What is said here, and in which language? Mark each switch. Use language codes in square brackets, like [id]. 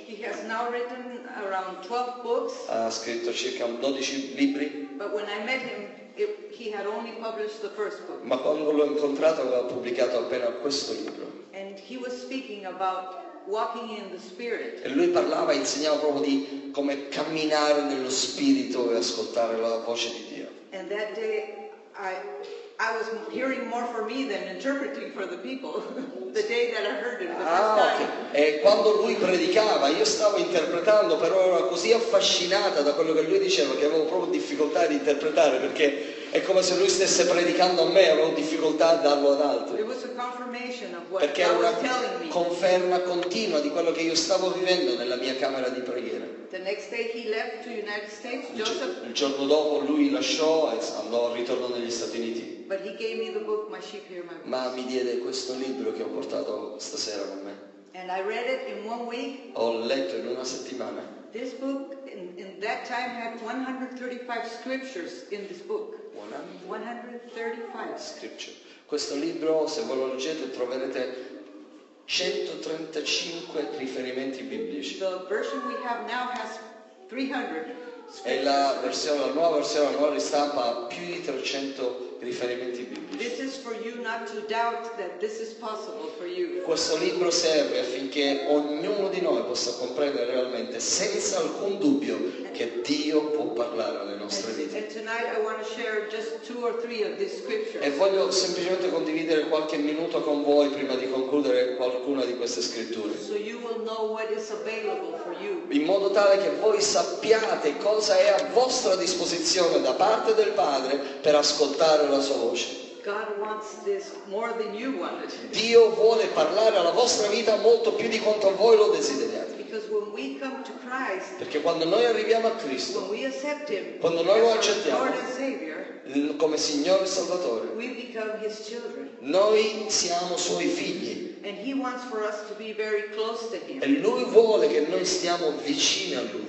[en] He has now written around 12 books. [it] Ha scritto circa 12 libri. [en] But when I met him, he had only published the first book. [it] Ma quando l'ho incontrato aveva pubblicato appena questo libro. [en] And he was speaking about walking in the spirit. [it] E lui parlava, insegnava proprio di come camminare nello spirito e ascoltare la voce di Dio. [en] And that day I was hearing more for me than interpreting for the people. The day that I heard him the first time. [it] E quando lui predicava io stavo interpretando, però ero così affascinata da quello che lui diceva che avevo proprio difficoltà di interpretare, perché è come se lui stesse predicando a me, avevo difficoltà a darlo ad altri. [en] It was a confirmation of what [it] perché era una [en] was telling me. [it] Conferma continua di quello che io stavo vivendo nella mia camera di preghiera. [en] The next day he left to United States, Joseph. [it] Il giorno dopo lui lasciò e ritornò negli Stati Uniti. [en] But he gave me the book, My Sheep Hear My Voice. [it] Ma mi diede questo libro che ho portato stasera con me. [en] And I read it in one week. [it] Ho letto in una settimana. [en] This book in that time had 135 scriptures in this book. 135 scripture. [it] Questo libro, se voi lo leggete, troverete 135 riferimenti biblici. [en] The version we have now has 300. [it] E la nuova versione ristampa ha più di 300 riferimenti biblici. [en] This is for you not to doubt that this is possible for you. [it] Questo libro serve affinché ognuno di noi possa comprendere realmente senza alcun dubbio che Dio può parlare alle nostre vite. [en] And tonight I want to share just two or three of these scriptures. [it] E voglio semplicemente condividere qualche minuto con voi prima di concludere qualcuna di queste scritture. [en] So you will know what is available for you. [it] In modo tale che voi sappiate cosa è a vostra disposizione da parte del Padre per ascoltare la sua voce. [en] God wants this more than you want it. [it] Dio vuole parlare alla vostra vita molto più di quanto voi lo desideriate. [en] Because when we come to Christ, [it] perché quando noi arriviamo a Cristo, [en] when we accept him, [it] quando noi lo accettiamo [en] Lord and Savior, [it] come Signore e Salvatore, [en] we become his children. [it] Noi siamo suoi figli. [en] And he wants for us to be very close to him. [it] E lui vuole che noi stiamo vicini a lui.